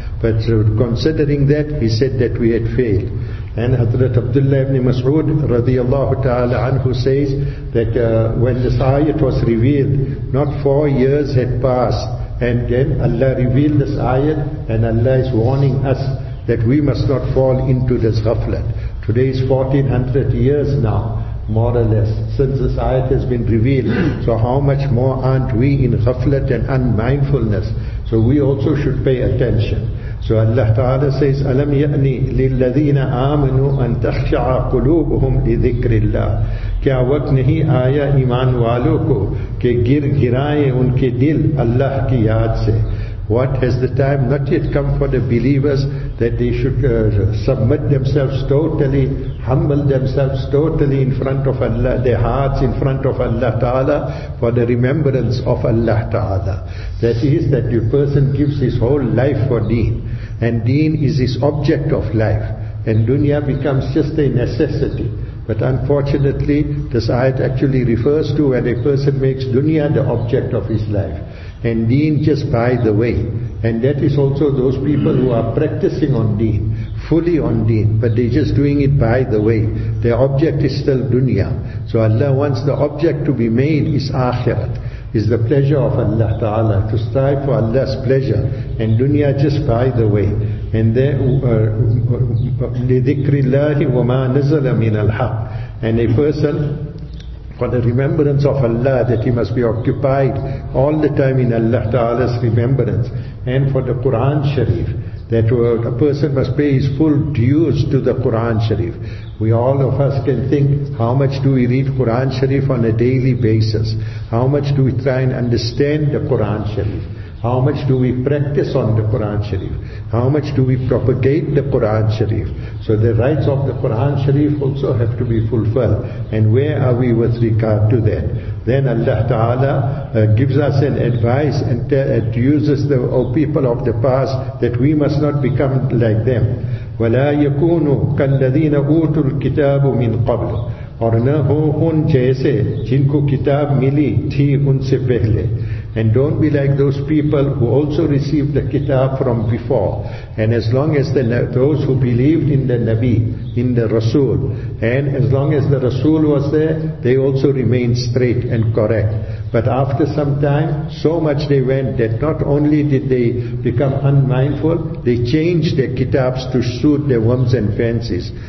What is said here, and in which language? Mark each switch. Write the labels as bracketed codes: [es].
[en] But considering that, he said that we had failed. And Hazrat Abdullah ibn Mas'ud radiallahu ta'ala anhu says that when this ayat was revealed, not 4 years had passed, and then Allah revealed this ayat, and Allah is warning us that we must not fall into this ghaflat. Today is 1400 years now, more or less, since this ayat has been revealed. So how much more aren't we in ghaflat and unmindfulness? So we also should pay attention. So Allah Ta'ala says, [ar] أَلَمْ يَأْنِي لِلَّذِينَ آمَنُوا أَن تَخْشَعَ قُلُوبُهُمْ لِذِكْرِ اللَّهِ. [ur] کیا وقت نہیں آیا ایمان والوں کو کہ گر گرائیں ان کے دل اللہ کی یاد سے. [en] What has the time not yet come for the believers that they should submit themselves totally, humble themselves totally in front of Allah, their hearts in front of Allah Ta'ala for the remembrance of Allah Ta'ala. That is that the person gives his whole life for deen, and deen is his object of life, and dunya becomes just a necessity. But unfortunately, this ayat actually refers to when a person makes dunya the object of his life, and deen just by the way. And that is also those people who are practicing on deen, fully on deen, but they're just doing it by the way. Their object is still dunya. So Allah wants the object to be made is akhirat, is the pleasure of Allah Ta'ala, to strive for Allah's pleasure, and dunya just by the way. And then [ar] لِذِكْرِ وَمَا نَزَلَ مِنَ الْحَقِّ. [en] And a person, for the remembrance of Allah, that he must be occupied all the time in Allah Ta'ala's remembrance. And for the Qur'an Sharif, that a person must pay his full dues to the Qur'an Sharif. We all of us can think, how much do we read Qur'an Sharif on a daily basis? How much do we try and understand the Qur'an Sharif? How much do we practice on the Qur'an Sharif? How much do we propagate the Qur'an Sharif? So the rights of the Qur'an Sharif also have to be fulfilled. And where are we with regard to that? Then Allah Ta'ala gives us an advice and uses the people of the past that we must not become like them. [ar] وَلَا يَكُونُوا كَالَّذِينَ أُوتُوا الْكِتَابُ مِنْ قَبْلُ. [ur] اور نہ ہو ان جیسے جن کو کتاب ملی تھی ان سے پہلے. [en] And don't be like those people who also received the kitab from before. And as long as those who believed in the Nabi, in the Rasul, and as long as the Rasul was there, they also remained straight and correct. But after some time, so much they went that not only did they become unmindful, they changed their kitabs to suit their whims and fancies.